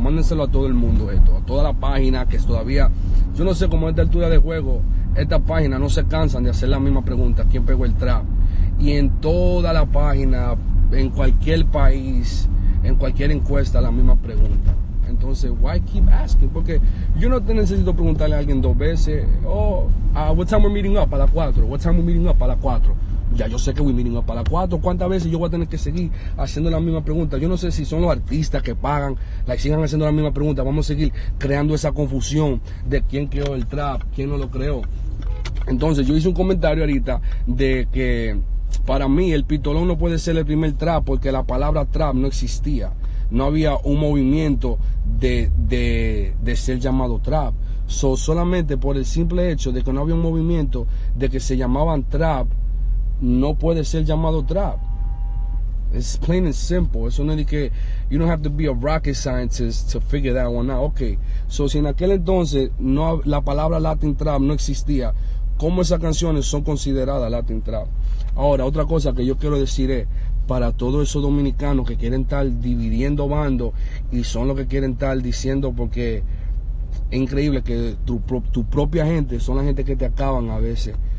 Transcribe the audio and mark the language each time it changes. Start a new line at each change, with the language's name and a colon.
Spanish: Mándenselo a todo el mundo esto, a toda la página que todavía, yo no sé cómo es de altura de juego, esta página no se cansan de hacer la misma pregunta, ¿quién pegó el trap? Y en toda la página, en cualquier país, en cualquier encuesta, la misma pregunta. Entonces,
English: why keep asking?
Spanish: Porque yo no te necesito preguntarle a alguien dos veces.
English: Oh, what time we're meeting up?
Spanish: A las 4.
English: What time we're meeting up?
Spanish: A las 4. Ya yo sé que
English: we're meeting up
Spanish: a las 4. ¿Cuántas veces yo voy a tener que seguir haciendo la misma pregunta? Yo no sé si son los artistas que pagan, sigan haciendo la misma pregunta. Vamos a seguir creando esa confusión de quién creó el trap, quién no lo creó. Entonces, yo hice un comentario ahorita de que para mí el pitolón no puede ser el primer trap porque la palabra trap no existía. No había un movimiento de ser llamado trap. Solamente por el simple hecho de que no había un movimiento de que se llamaban trap, no puede ser llamado trap.
English: It's plain and simple.
Spanish: Eso no es de que
English: you don't have to be a rocket scientist to figure that one out. Ok.
Spanish: So, si en aquel entonces no, la palabra Latin trap no existía, ¿cómo esas canciones son consideradas Latin trap? Ahora, otra cosa que yo quiero decir es, para todos esos dominicanos que quieren estar dividiendo bandos y son los que quieren estar diciendo, porque es increíble que tu propia gente son la gente que te acaban a veces.